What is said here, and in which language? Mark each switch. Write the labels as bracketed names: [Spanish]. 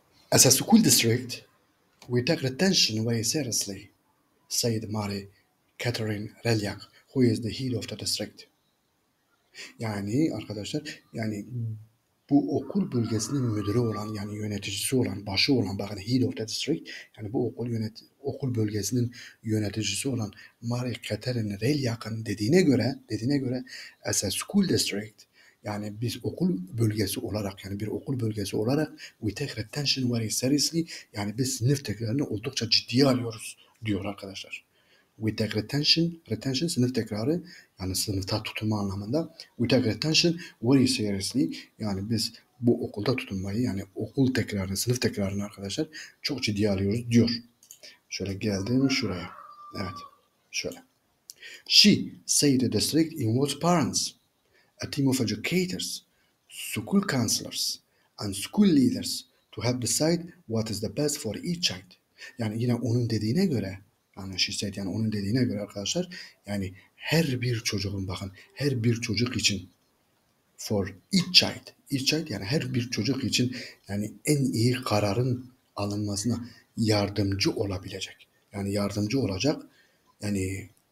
[English] As a school district, we take retention very seriously, said Mary Catherine Relyak, who is the head of the district. [Turkish] Yani arkadaşlar, yani bu okul bölgesinin müdürü olan, yani yöneticisi olan, başı olan, bakın [English] head of the district, [Turkish] yani bu okul bölgesinin yöneticisi olan Mary Catherine Relyak'ın dediğine göre [English] as a school district, [Turkish] yani biz okul bölgesi olarak, yani bir okul bölgesi olarak, [English] we take retention very seriously, [Turkish] yani biz sınıf tekrarını oldukça ciddiye alıyoruz diyor arkadaşlar. [English] We take retention [Turkish] sınıf tekrarı, yani sınıfta tutunma anlamında, [English] we take retention very seriously, [Turkish] yani biz bu okulda tutunmayı, yani okul tekrarını, sınıf tekrarını arkadaşlar çok ciddiye alıyoruz diyor. Şöyle geldim şuraya. Evet. Şöyle. [English] She said the district involves parents, a team of educators, school counselors and school leaders to help decide what is the best for each child. [Turkish] Yani yine onun dediğine göre, yani [English] she said, [Turkish] yani onun dediğine göre arkadaşlar, yani her bir çocuğun, bakın her bir çocuk için, [English] for each child, each child [Turkish] yani her bir çocuk için, yani en iyi kararın alınmasına yardımcı olabilecek, yani yardımcı olacak, yani